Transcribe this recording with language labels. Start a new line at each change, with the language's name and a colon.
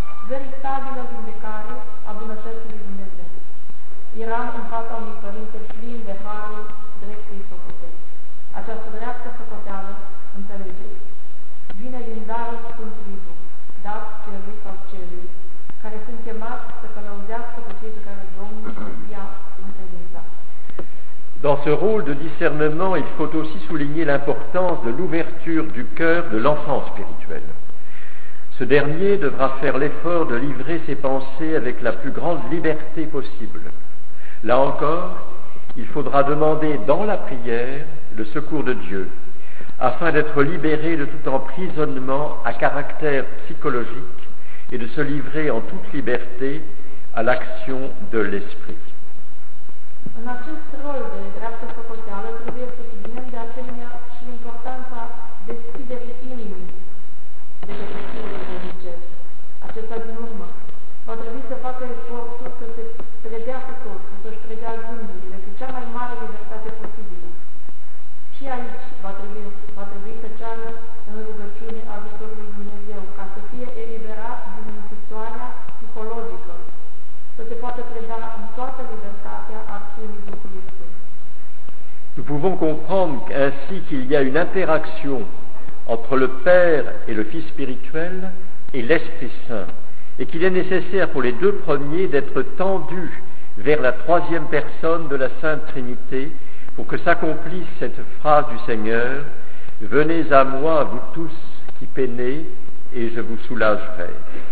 Romanian: Veritabilă vindecare a bunătății lui Dumnezeu. Eram în fața unui părinte plin de harul dreptei socotei. Această dreaptă socoteală, înțelegeți, vine din darul Sfântului Duh, dat celui sau celui, care sunt chemați să călăuzească pe cei pe care Domnul i-a întâlnit.
French: Dans ce rôle de discernement, il faut aussi souligner l'importance de l'ouverture du cœur de l'enfant spirituel. Ce dernier devra faire l'effort de livrer ses pensées avec la plus grande liberté possible. Là encore, il faudra demander dans la prière le secours de Dieu, afin d'être libéré de tout emprisonnement à caractère psychologique et de se livrer en toute liberté à l'action de l'Esprit.
Romanian: În acest rol de dreaptă socoteală trebuie să subliniem de asemenea și importanța deschiderii inimii de către Sfântul Duhovnicesc. Acesta din urmă va trebui să facă efortul să se predea cu totul, să-și predea gândurile cu cea mai mare libertate posibilă. Și aici va trebui să ceară în rugăciune ajutorul lui Dumnezeu ca să fie eliberat din închisoarea psihologică, să se poată preda în toată libertatea acțiunii Duhului Sfânt.
French: Nous pouvons comprendre ainsi qu'il y a une interaction entre le Père et le Fils spirituel et l'Esprit Saint, et qu'il est nécessaire pour les deux premiers d'être tendus vers la troisième personne de la Sainte Trinité pour que s'accomplisse cette phrase du Seigneur « Venez à moi, vous tous qui peinez, et je vous soulagerai ».